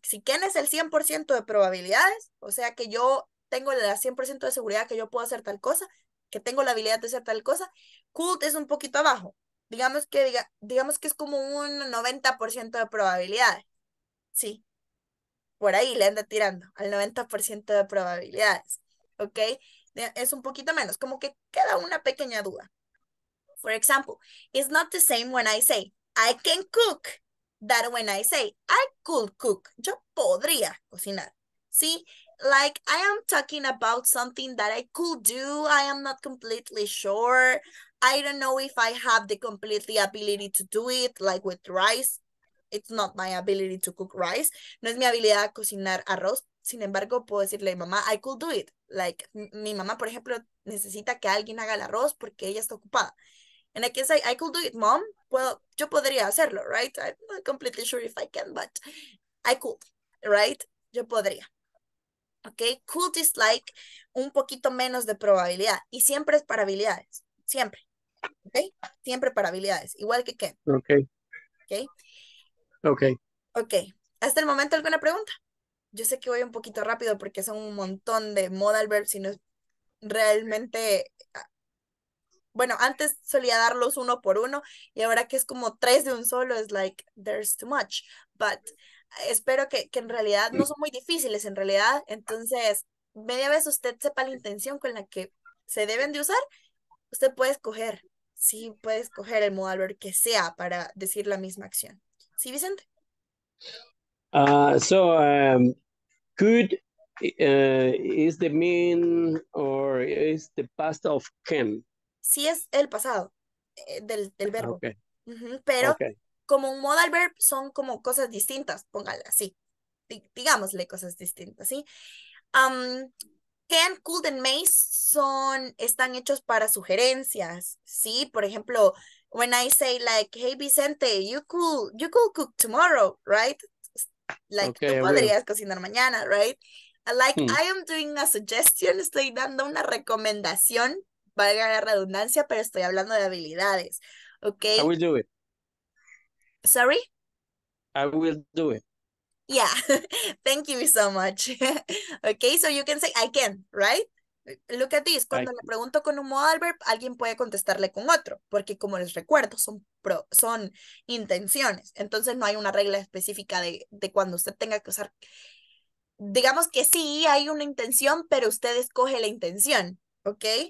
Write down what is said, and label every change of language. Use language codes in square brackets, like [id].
[es] Si can es el 100% de probabilidades, o sea que yo tengo la 100% de seguridad que yo puedo hacer tal cosa, que tengo la habilidad de hacer tal cosa, could es un poquito abajo. Digamos que es como un 90% de probabilidades. Sí. Por ahí le anda tirando al 90% de probabilidades. ¿Ok? Es un poquito menos. Como que queda una pequeña duda. [en] For example, it's not the same when I say I can cook that when I say I could cook. [es] Yo podría cocinar. ¿Sí? [en] Like, I am talking about something that I could do. I am not completely sure. I don't know if I have the complete ability to do it, like with rice. It's not my ability to cook rice. [es] No es mi habilidad a cocinar arroz. Sin embargo, puedo decirle a mi mamá, [en] I could do it. [es] Like, mi mamá, por ejemplo, necesita que alguien haga el arroz porque ella está ocupada. [en] And I can say, I could do it, mom. Well, [es] yo podría hacerlo, [en] right? I'm not completely sure if I can, but I could, right? [es] Yo podría. [en] Okay, could is like [es] un poquito menos de probabilidad. Y siempre es para habilidades. Siempre. Okay? Siempre para habilidades. Igual que can. Okay. Okay? Okay. Okay. ¿Hasta el momento alguna pregunta? Yo sé que voy un poquito rápido porque son un montón de modal verbs y no es realmente... Bueno, antes solía darlos uno por uno y ahora que es como tres de un solo es [en] like, there's too much. But... [es] Espero que en realidad no son muy difíciles en realidad, entonces media vez usted sepa la intención con la que se deben de usar, usted puede escoger, sí, puede escoger el modal verb que sea para decir la misma acción. ¿Sí, Vicente? [en] Could is the mean or is the past of can? [es] Sí, es el pasado del verbo. Okay. Pero okay. Como un modal verb, son como cosas distintas, póngale así. Digámosle cosas distintas, ¿sí? Can, could, and may están hechos para sugerencias, ¿sí? [en] Por ejemplo, when I say like, hey, Vicente, you could cook tomorrow, right? Like, okay, [es] tú podrías cocinar mañana, right? [en] Like, I am doing a suggestion, [es] estoy dando una recomendación, valga la redundancia, pero estoy hablando de habilidades, ¿ok? [en] How we do it? Sorry? I will do it. Yeah. Thank you so much. Okay, so you can say I can, right? Look at this. [es] Cuando le pregunto con un modal verb, alguien puede contestarle con otro, porque como les recuerdo, son intenciones. Entonces no hay una regla específica de cuando usted tenga que usar digamos que sí, hay una intención, pero usted escoge la intención, ¿ok?